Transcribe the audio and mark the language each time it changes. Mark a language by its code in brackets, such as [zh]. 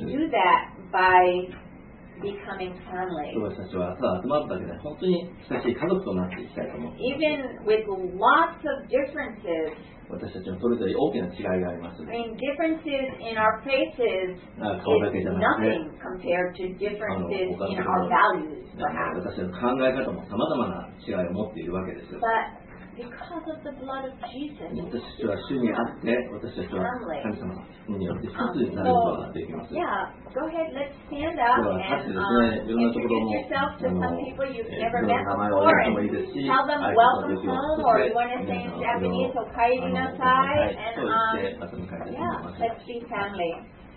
[en] And we do that by becoming family. [ja] 私たちはただ集まるだけで本当に親しい家族となっていきたいと思っています [en] Even with lots of differences, [ja] 私たちもそれぞれ大きな違いがあります。 [en] I mean, differences in our faces is nothing compared to differences in our values. [ja] 私たちの考え方も様々な違いを持っているわけです。 [en] But because of the blood of Jesus, [ja] 私たちは主にあって、私たちは神様によって一つになることができます。 [en] Yeah, go ahead, let's stand up and introduce yourself to some people you've never met before. And tell them welcome home, or you want to say in Japanese, [ja] okaeri nasai, [en] and yeah, let's be family.